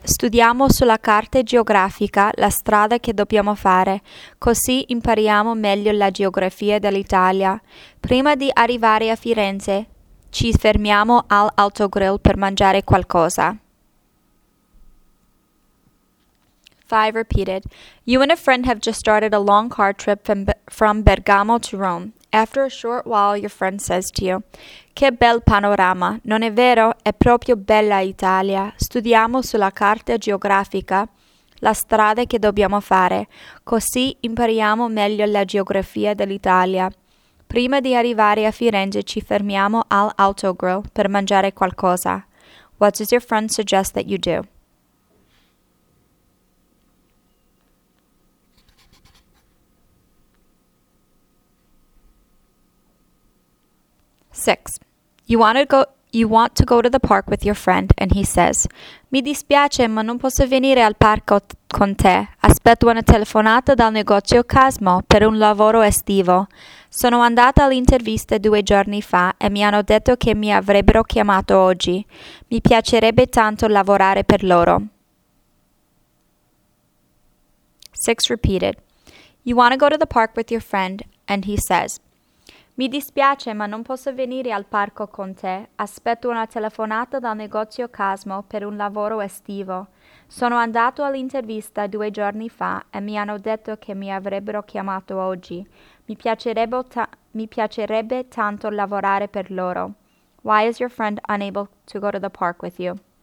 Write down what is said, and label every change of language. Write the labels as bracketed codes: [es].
[it] Studiamo sulla carta geografica la strada che dobbiamo fare, così impariamo meglio la geografia dell'Italia. Prima di arrivare a Firenze, ci fermiamo al Alto Grill per mangiare qualcosa." [en] Five repeated. You and a friend have just started a long car trip from Bergamo to Rome. After a short while, your friend says to you, [it] "Che bel panorama, non è vero? È proprio bella Italia. Studiamo sulla carta geografica la strada che dobbiamo fare, così impariamo meglio la geografia dell'Italia. Prima di arrivare a Firenze, ci fermiamo al Auto Grill per mangiare qualcosa." [en] What does your friend suggest that you do? Six. You want to go to the park with your friend, and he says, [it] "Mi dispiace, ma non posso venire al parco con te. Aspetto una telefonata dal negozio Casmo per un lavoro estivo. Sono andata all'intervista 2 giorni fa e mi hanno detto che mi avrebbero chiamato oggi. Mi piacerebbe tanto lavorare per loro." [en] Six repeated. You want to go to the park with your friend, and he says, [it] "Mi dispiace, ma non posso venire al parco con te. Aspetto una telefonata dal negozio Casmo per un lavoro estivo. Sono andato all'intervista 2 giorni fa e mi hanno detto che mi avrebbero chiamato oggi. Mi piacerebbe tanto lavorare per loro." [en] Why is your friend unable to go to the park with you?